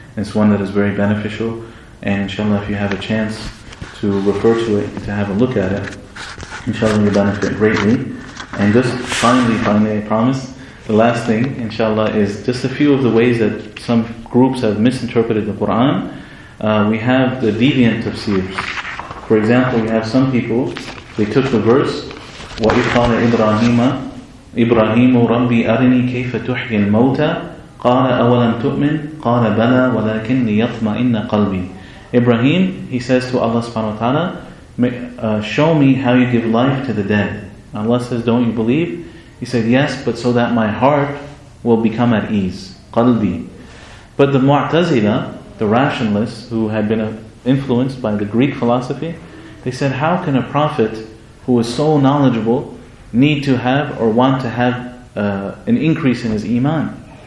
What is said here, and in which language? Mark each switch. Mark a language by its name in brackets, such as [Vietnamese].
[English] It's one that is very beneficial. And inshallah, if you have a chance to refer to it, to have a look at it, inshallah, you'll benefit greatly. And just finally, I promise, The last thing, inshallah, is just a few of the ways that some groups have misinterpreted the Qur'an. We have the deviant tafsirs. For example, we have some people, they took the verse, [Arabic] وَإِذْ قَالَ إِبْرَاهِيمَ إِبْرَاهِيمُ رَبِّ أَرِنِي كَيْفَ تُحْيِي الْمَوْتَى قَالَ أَوَلَمْ تُؤْمِنْ قَالَ بَلَى وَلَكِنْ لِيَطْمَئِنَّ قَلْبِي. [English] Ibrahim, he says to Allah subhanahu wa ta'ala, show me how you give life to the dead. Allah says, don't you believe? He said, yes, but so that my heart will become at ease. [Arabic] قَلْبِي. [English] But the Mu'tazila, the rationalists who had been influenced by the Greek philosophy, they said, how can a prophet who is so knowledgeable need to have or want to have an increase in his iman?